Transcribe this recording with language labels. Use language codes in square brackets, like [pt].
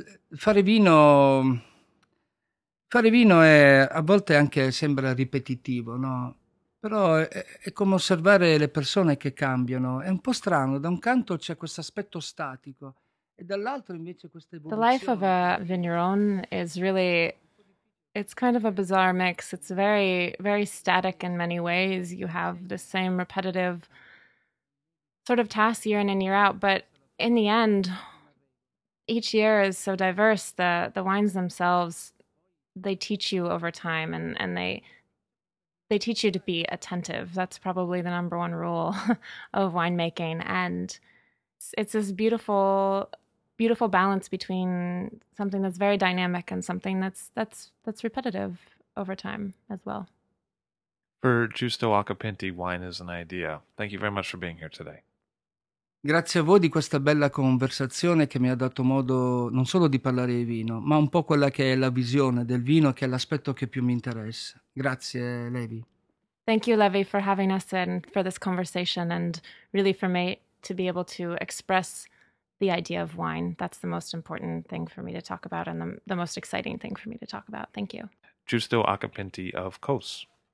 [it] Fare vino è, a volte anche sembra ripetitivo, no? Però è come osservare le persone che cambiano. È un po' strano, da un canto c'è questo aspetto statico, e dall'altro invece questa evoluzione. [en] The life of a vigneron is really, it's kind of a bizarre mix. It's very, very static in many ways. You have the same repetitive sort of tasks year in and year out, but in the end, each year is so diverse. The wines themselves, they teach you over time, and they teach you to be attentive. That's probably the number one rule of winemaking. And it's this beautiful, beautiful balance between something that's very dynamic and something that's repetitive over time as well. For Giusto Acapinti, wine is an idea. Thank you very much for being here today. [it] Grazie a voi di questa bella conversazione che mi ha dato modo non solo di parlare di vino, ma un po' quella che è la visione del vino, che è l'aspetto che più mi interessa. Grazie, Levi. [en] Thank you, Levi, for having us and for this conversation, and really for me to be able to express the idea of wine. That's the most important thing for me to talk about, and the most exciting thing for me to talk about. Thank you. Giusto Acapinti of COS.